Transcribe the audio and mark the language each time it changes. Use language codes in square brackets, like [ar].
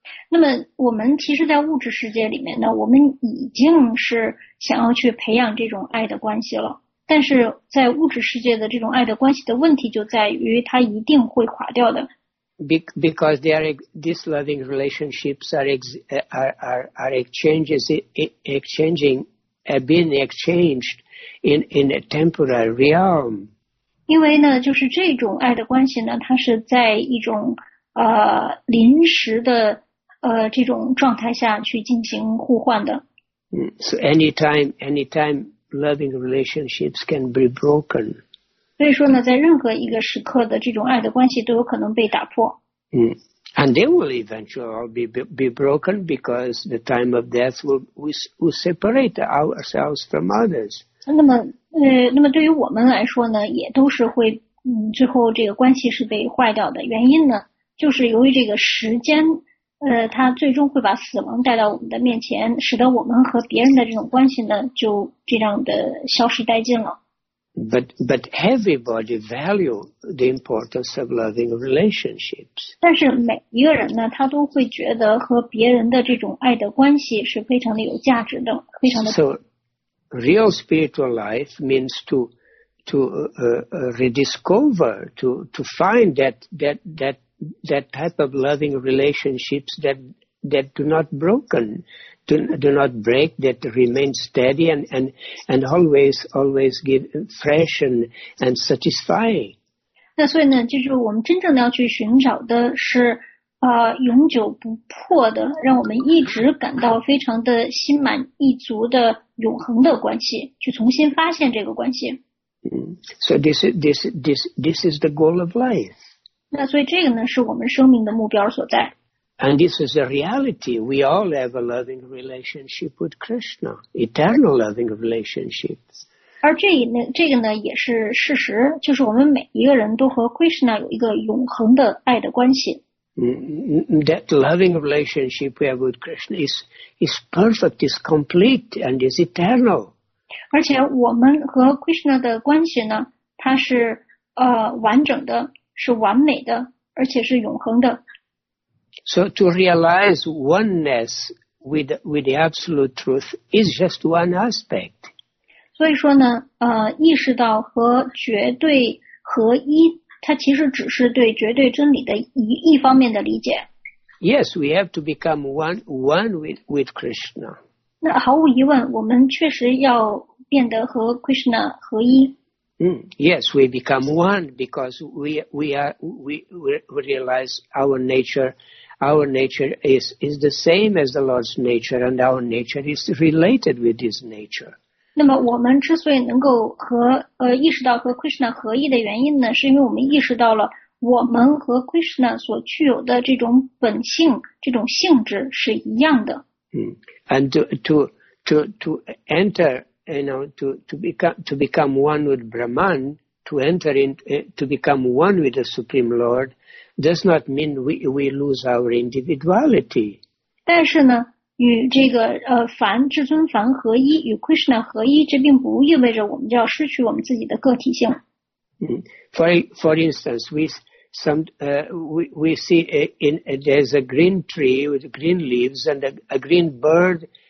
[zh] 那么我们其实在物质世界里面呢，我们已经是想要去培养这种爱的关系了。但是在物质世界的这种爱的关系的问题就在于它一定会垮掉的。 [en] Because these loving relationships are exchanging have been exchanged in a temporary realm. [zh] 因为呢就是这种爱的关系呢它是在一种临时的这种状态下去进行互换的。 [en] So anytime loving relationships can be broken. [zh] 所以说呢在任何一个时刻的这种爱的关系都有可能被打破。 [en] And they will eventually all be broken because the time of death will separate ourselves from others. [zh] 那么对于我们来说呢也都是会最后这个关系是被坏掉的。原因呢就是由于这个时间它最终会把死亡带到我们的面前，使得我们和别人的这种关系呢就这样的消失殆尽了。 [en] But everybody value the importance of loving relationships. [zh] 但是每一个人呢，他都会觉得和别人的这种爱的关系是非常的有价值的，非常的。 [en] So, real spiritual life means to rediscover to find that type of loving relationships that do not broken, do not break, that remain steady and always give fresh and satisfying. [zh] 那所以呢，就是我们真正要去寻找的是永久不破的，让我们一直感到非常的心满意足的永恒的关系，去重新发现这个关系。 [en] So this is the goal of life. [zh] 那所以这个呢，是我们生命的目标所在。 [en] And this is a reality. We all have a loving relationship with Krishna, eternal loving relationships. [zh] 而这个呢也是事实，就是我们每一个人都和 Krishna 有一个永恒的爱的关系。 [en] That loving relationship we have with Krishna is perfect, is complete, and is eternal. [zh] 而且我们和 Krishna 的关系呢，它是完整的，是完美的，而且是永恒的。 [en] So to realize oneness with the absolute truth is just one aspect. [zh] 所以说呢，意识到和绝对合一，它其实只是对绝对真理的一方面的理解。 [en] Yes, we have to become one with Krishna. [zh] 那毫无疑问，我们确实要变得和 Krishna 合一。 [en] Yes, we become one because we realize our nature is the same as the Lord's nature, and our nature is related with His nature. [zh] 那么我们之所以能够和意识到和 Krishna 合一的原因呢，是因为我们意识到了我们和 Krishna 所具有的这种本性、这种性质是一样的。 [en] And to enter. You know, to become one with Brahman, to become one with the Supreme Lord, does not mean we lose our individuality. [zh] 但是呢，与这个梵至尊梵合一，与 Krishna 合一，这并不意味着我们就要失去我们自己的个体性。 [en] For instance, there's a green tree with green leaves and a green bird.